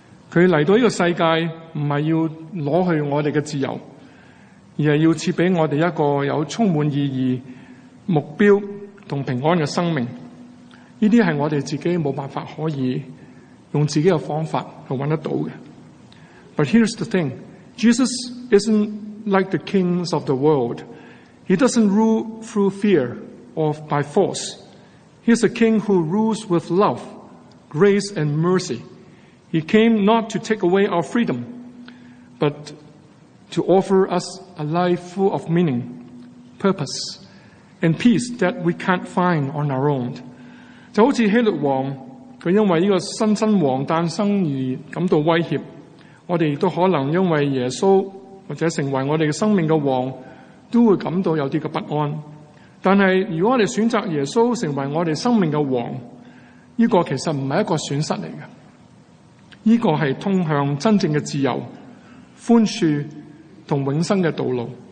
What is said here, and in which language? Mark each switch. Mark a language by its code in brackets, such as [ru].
[zh] 他来到这个世界不是要拿去我们的自由，而是要赐给我们一个有充满意义、目标和平安的生命。这些是我们自己没办法可以用自己的方法去找得到的。 [en] But here's the thing, Jesus isn't like the kings of the world. He doesn't rule through fear or by force. He's a king who rules with love, grace and mercy. He came not to take away our freedom, but to offer us a life full of meaning, purpose, and peace that we can't find on our own. [zh] 就好似希律王，他因为这个新王诞生而感到威胁，我们都可能因为耶稣或者成为我们生命的王都会感到有些不安。但是如果我们选择耶稣成为我们生命的王，这个其实不是一个损失来的，这个是通向真正的自由、宽恕和永生的道路。